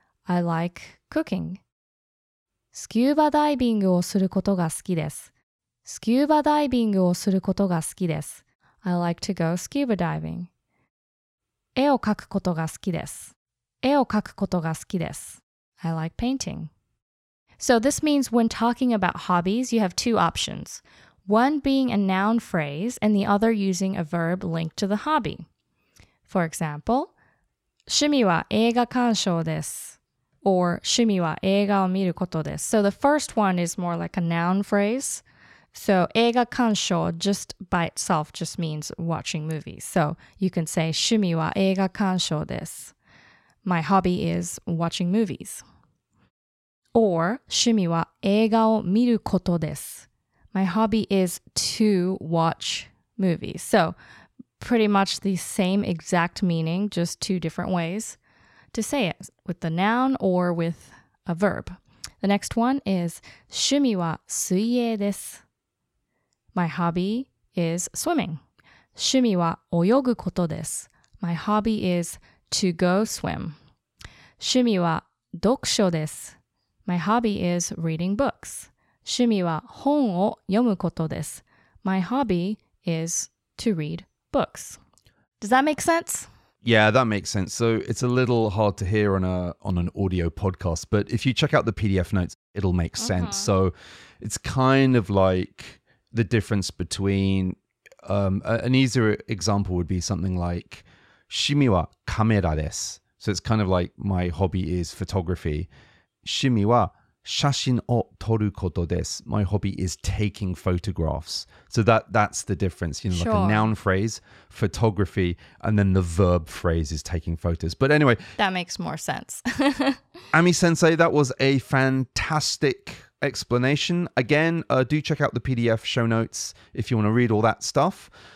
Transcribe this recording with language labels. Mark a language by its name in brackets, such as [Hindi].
[English] I like cooking. [Japanese] スキューバダイビングをすることが好きです。スキューバダイビングをすることが好きです。 [English] I like to go scuba diving. [Japanese] 絵を描くことが好きです。絵を描くことが好きです。 [English] I like painting. So this means when talking about hobbies, you have two options. One being a noun phrase and the other using a verb linked to the hobby. For example, [Japanese] 趣味は映画鑑賞です。 Or 趣味は映画を見ることです。 [English] So the first one is more like a noun phrase. So 映画鑑賞 just by itself just means watching movies. So you can say [Japanese] 趣味は映画鑑賞です。 [English] My hobby is watching movies. [Japanese] Or 趣味は映画を見ることです。 [English] My hobby is to watch movies. So pretty much the same exact meaning, just two different ways to say it, with the noun or with a verb. The next one is [Japanese] 趣味は水泳です。 [English] My hobby is swimming. [Japanese] 趣味は泳ぐことです。 [English] My hobby is to go swim. [Japanese] 趣味は読書です。 [English] My hobby is reading books. [Japanese] 趣味は本を読むことです。 [English] My hobby is to read books. Does that make sense? Yeah, that makes sense. So it's a little hard to hear on an audio podcast, but if you check out the PDF notes, it'll make sense. So it's kind of like the difference between an easier example would be something like [Japanese] 趣味はカメラです. [English] So it's kind of like my hobby is photography. [Japanese] 趣味は写真を撮ることです. [English] My hobby is taking photographs. So that's the difference, you know, like a noun phrase, photography, and then the verb phrase is taking photos. But anyway, that makes more sense. Ami-sensei, that was a fantastic explanation. Again, do check out the PDF show notes if you want to read all that stuff.